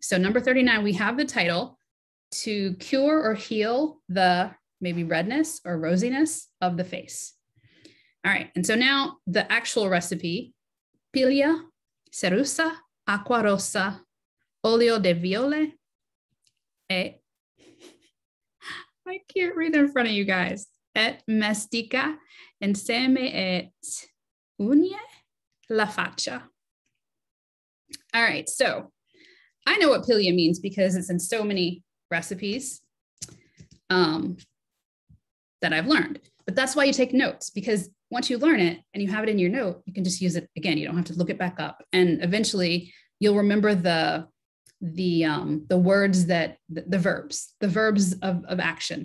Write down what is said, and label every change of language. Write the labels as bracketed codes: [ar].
[en] So number 39, we have the title to cure or heal the maybe redness or rosiness of the face. All right, and so now the actual recipe, [it] pilia, cerusa, aqua rosa, olio de viole. [en] Et, I can't read in front of you guys. [it] Et mastica insieme et unie la faccia. [en] All right, so I know what pilia means because it's in so many recipes that I've learned. But that's why you take notes, because once you learn it and you have it in your note, you can just use it again. You don't have to look it back up. And eventually you'll remember the words that the verbs of action.